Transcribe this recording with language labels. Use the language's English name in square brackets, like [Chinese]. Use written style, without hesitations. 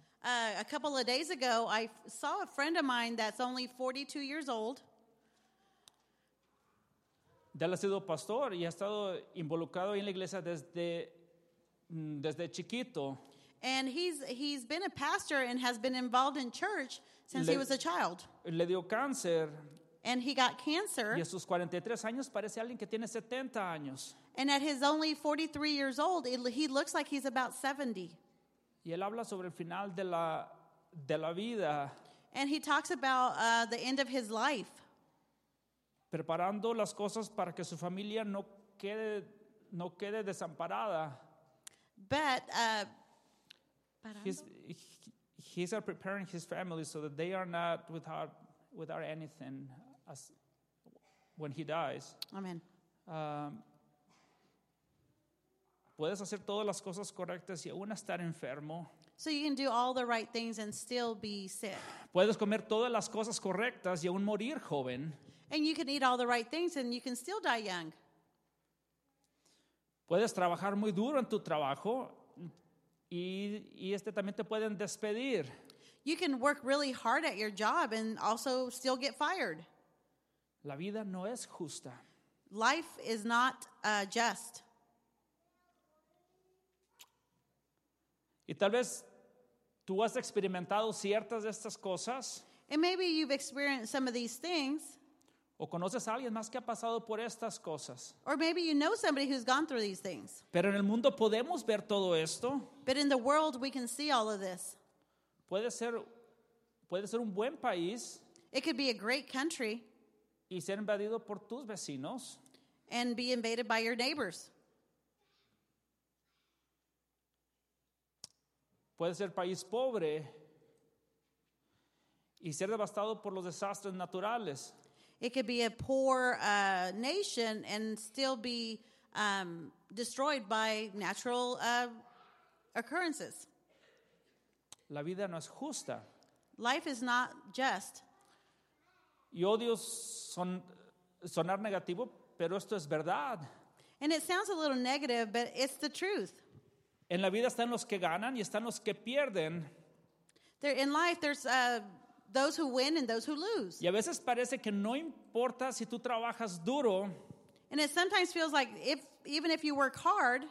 [English] A couple of days ago, I saw a friend of mine that's only 42 years old. [Spanish] Él ha sido pastor y ha estado involucrado en la iglesia desde chiquito. [English] And he's been a pastor and has been involved in church since he was a child. [Spanish] Le dio cáncer. [English] And he got cancer. [Spanish] Y a sus 43 años parece alguien que tiene 70 años. [English] And at his only 43 years old, he looks like he's about 70. [Spanish] Y él habla sobre el final de la vida. [English] And he talks about the end of his life. [Spanish] Preparando las cosas para que su familia no quede desamparada. [English] But he's preparing his family so that they are not without anything as when he dies. Amen. [Spanish] Puedes hacer todas las cosas correctas y aún estar enfermo. [English] So you can do all the right things and still be sick. [Spanish] Puedes comer todas las cosas correctas y aún morir joven. [English] And you can eat all the right things and you can still die young. [Spanish] Puedes trabajar muy duro en tu trabajo y este también te pueden despedir. [English] You can work really hard at your job and also still get fired. [Spanish] La vida no es justa. [English] Life is not just. [Spanish] Y tal vez tú has experimentado ciertas de estas cosas. [English] And maybe you've experienced some of these things. [Spanish] O conoces a alguien más que ha pasado por estas cosas. [English] Or maybe you know somebody who's gone through these things. [Spanish] Pero en el mundo podemos ver todo esto. [English] But in the world we can see all of this. [Spanish] Puede ser un buen país. [English] It could be a great country. [Spanish] Y ser invadido por tus vecinos. [English] And be invaded by your neighbors. [Spanish] Puede ser país pobre y ser devastado por los desastres naturales. [English] It could be a poor nation and still be destroyed by natural occurrences. [Spanish] La vida no es justa. [English] Life is not just. [Spanish] Y odio sonar negativo, pero esto es verdad. [English] And it sounds a little negative, but it's the truth. [Spanish] En la vida están los que ganan y están los que pierden. [English] In life, there's those who win and those who lose. [Spanish] Y a veces parece que no importa si tú trabajas duro. [English] And it sometimes feels like even if you work hard.